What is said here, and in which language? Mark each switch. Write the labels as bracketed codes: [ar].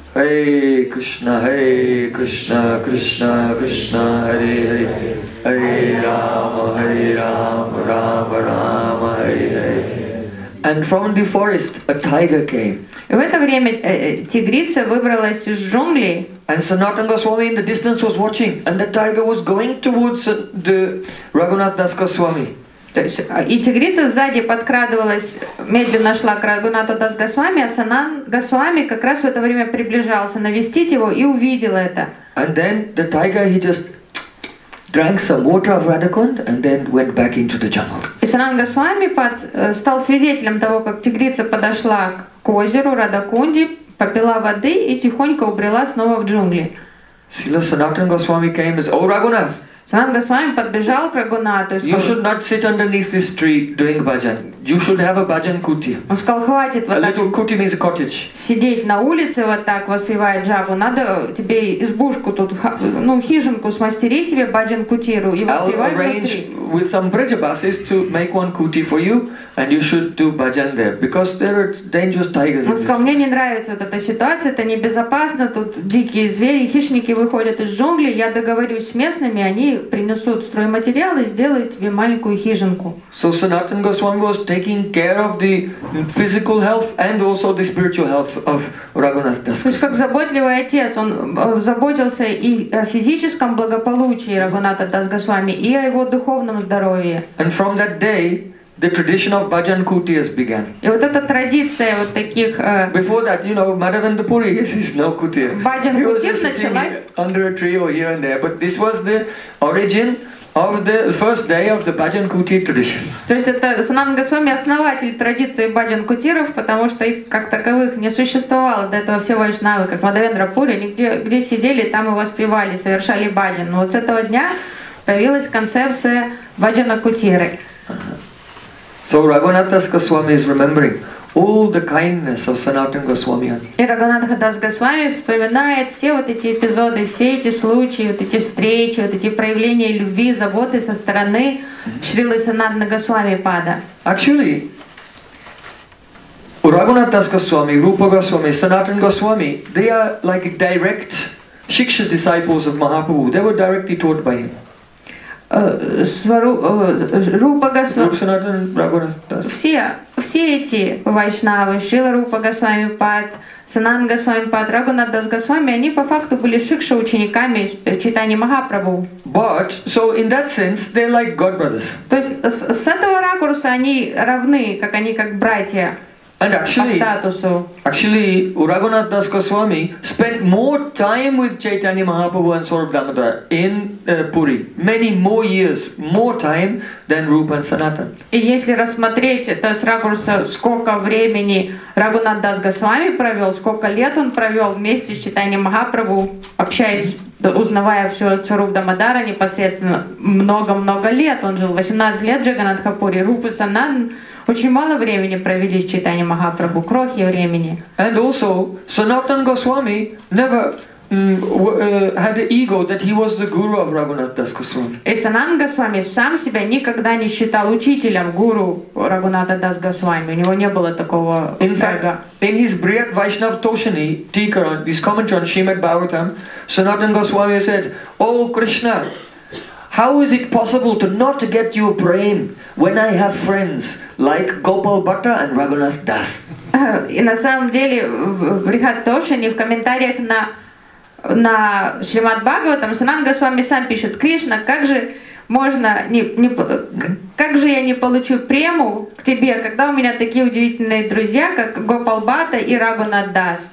[sa] Hey Krishna, Krishna, Krishna, Hare Hare, Hare Rama, Rama Rama, Hare Hare. [en] And from the forest, a tiger came. [ru] В это время тигрица выбралась из джунглей. [en] And Sanatana Goswami in the distance was watching, and the tiger was going towards the Raghunath Das Goswami. [ru] И тигрица сзади подкрадывалась, медленно шла к Рагунатху Дас Госвами, а Санан Госвами как раз в это время приближался навестить его и увидел это. [en] And then the tiger, he just drank some water of Radhakund and then went back into the jungle. [ru] И Санан Госвами стал свидетелем того, как тигрица подошла к озеру Радакунди, попила воды и тихонько убрела снова в джунгли. [en] Сила Санатана Госвами came as, oh, Рагунат! [ru] Санатана Госвами подбежал к Рагунату. [en] You should not sit underneath this tree doing bhajan. You should have a bhajan kuti. [ru] Он сказал, хватит вот так. [en] A little kuti means a cottage. [ru] Сидеть на улице вот так, воспевая джапу. Надо тебе избушку тут, ну, хижинку смастери себе, bhajan kutiру, и воспевай внутри. [en] I'll arrange with some brijabasis to make one kuti for you, and you should do bhajan there, because there are dangerous tigers. [ru] Он сказал, мне не нравится вот эта ситуация, это небезопасно, тут дикие звери, хищники выходят из джунглей, я договорюсь с местными, они принесут стройматериалы и сделают тебе маленькую хижинку. [en] So Sanatana Goswami was taking care of the physical health and also the spiritual health of Raghunath Das Goswami. [ru] То есть как заботливый отец, он заботился и о физическом благополучии Рагунатха Дас Госвами, и о его духовном здоровье. [en] And from that day, the tradition of bhajan kutis began. [ru] И вот эта традиция вот таких. [en] Before that, you know, Madhavendapuri is no kutir. [ru] Bhajan kutir началась [en] under a tree or here and there, but this was the origin of the first day of the bhajan kutir tradition. [ru] То есть это Санатана Госвами основатель традиции bhajan kutiров, потому что их как таковых не существовало до этого. Все вайшнавы, как Мадхавендрапури, они где сидели, там и воспевали, совершали bhajan. Но вот с этого дня появилась концепция bhajan kutiры. [en] So Raghunath Das Goswami is remembering all the kindness of Sanatana Goswami. [ru] И Рагунатха Дас Госвами вспоминает все вот эти эпизоды, все эти случаи, вот эти встречи, вот эти проявления любви, заботы со стороны Шрилы Санатана Госвами Пада. [en] Actually, Raghunath Das Goswami, Rupa Goswami, Sanatana Goswami, they are like direct Shiksha disciples of Mahaprabhu. They were directly taught by him. [ru] Рупа Госвами. Все эти вайшнавы, Шрила Рупа Госвами Пад, Санан Госвами Пад, Рагунат Дас Госвами, они по факту были шикша учениками читания Махапрабху. [en] But so in that sense they're like god brothers. [ru] То есть с этого ракурса они равны, как они как братья. [en] And actually, Raghunath Das Goswami spent more time with Chaitanya Mahaprabhu and Saurabh Damodara in Puri, many more years, more time than Rupa and Sanatan. [ru] И если рассмотреть это с ракурса, сколько времени Raghunath Das Goswami провел, сколько лет он провел вместе с Chaitanya Mahaprabhu, общаясь, узнавая все от Saurabh Damodara непосредственно, много-много лет он жил, 18 лет в Джаганнатха Пури, Рупа Санатан. Очень мало времени провели с читанием Махапрабху, крохи времени. [en] And also, Sanatan Goswami never had the ego that he was the guru of Raghunath Das Goswami. [ru] И Санатан Госвами сам себя никогда не считал учителем, гуру Рагхунатха Дас Госвами. У него не было такого эго. [en] In his Brihat Vaishnav Toshani Tikaran, his commentary on Srimad Bhagavatam, Sanatan Goswami said, "Oh Krishna, how is it possible to not get your brain when I have friends like Gopal Bhatta and Raghunath Das?" [ru] И на самом деле Брихат Тошани в комментариях на Шримад Бхагаватам Санатан Госвами сам пишет: Кришна, как же можно как же я не получу прему к тебе, когда у меня такие удивительные друзья, как Гопал Бхатта и Рагхунат Дас?